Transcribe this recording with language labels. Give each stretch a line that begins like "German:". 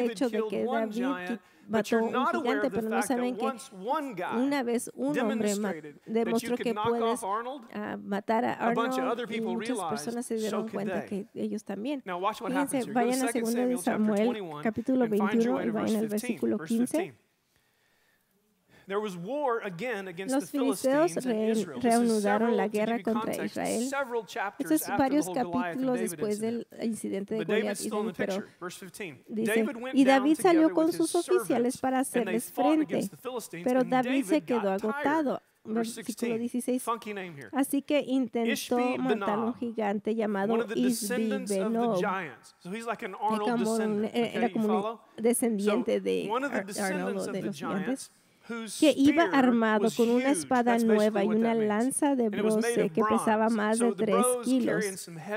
Spanish: el hecho de que David mató a un gigante, pero no saben que una vez un hombre demostró que puedes matar a Arnold, y muchas personas se dieron cuenta que ellos también. Fíjense, vayan a 2 Samuel, capítulo 21, y vayan al versículo 15.
English: There was war again against
Spanish: los
English: the Philistines and Israel. This is several, to give you context, Israel. Several chapters after the whole Goliath and David incident. But David's still in the picture. Verse 15. David went down together with his servants
Spanish: para hacerles frente,
English: and they fought against the Philistines, but David got tired. Versículo 16. Funky name here.
Spanish: Así que intentó montar un gigante llamado Ishbi-Benob.
English: So he's like an Arnold descendant. Okay, you follow?
Spanish: Descendiente de Arnold, de los gigantes. Que iba armado con una espada nueva y una lanza de bronce que pesaba más de 3 kilos.